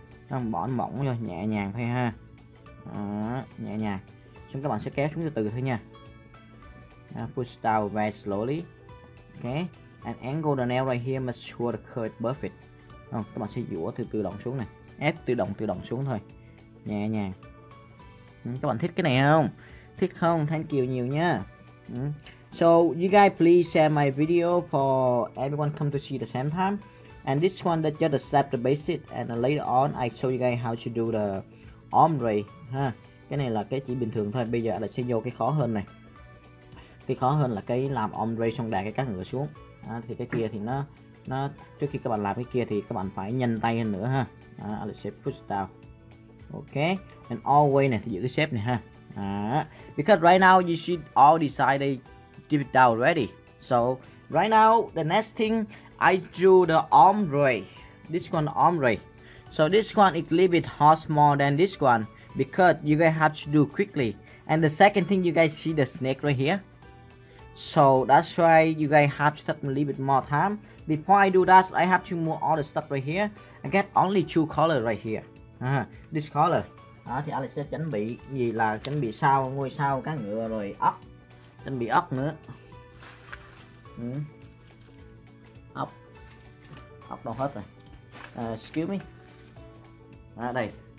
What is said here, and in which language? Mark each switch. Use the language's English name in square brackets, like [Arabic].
[Vietnamese] Nó bỏ mỏng vô, nhẹ nhàng thôi ha. Nhẹ nhàng. Xong các bạn sẽ kéo xuống từ từ thôi nha. [English] Push down very slowly. [Vietnamese] Okay. [English] An angle the nail right here must sure the curve perfect. [Vietnamese] Không, các bạn sẽ giũa từ từ đồng xuống này. Ép tự động xuống thôi. Nhẹ nhàng. Các bạn thích cái này không? Thích không? [English] Thank you [Vietnamese] nhiều nha. [English] So you guys please share my video for everyone come to see the same time. And this one that just slap the basic and later on I show you guys how to do the ombre ha. [Vietnamese] Cái này là cái chỉ bình thường thôi, bây giờ là sẽ vô cái khó hơn này. Cái khó hơn là cái làm ombre xong đè cái cá ngựa xuống. À, thì cái kia thì nó trước khi các bạn làm cái kia thì các bạn phải nhanh tay hơn nữa ha. À, là sẽ [English] push down. [Vietnamese] Ok, and always này thì giữ cái shape này ha. [English] À, because right now you should all decide to dip it down already. So right now the next thing I drew the ombre. This one ombre. So this one is a little bit hard more than this one because you guys have to do quickly. And the second thing you guys see the snake right here. So that's why you guys have to take a little bit more time. Before I do that, I have to move all the stuff right here. I get only two colors right here. This color. [Vietnamese] À, thì Alex sẽ chuẩn bị gì là chuẩn bị sao ngôi sao cá ngựa rồi ốc. Chuẩn bị ốc nữa. Ốc. Ốc đâu hết rồi. [English] Excuse me. [Vietnamese] À, đây.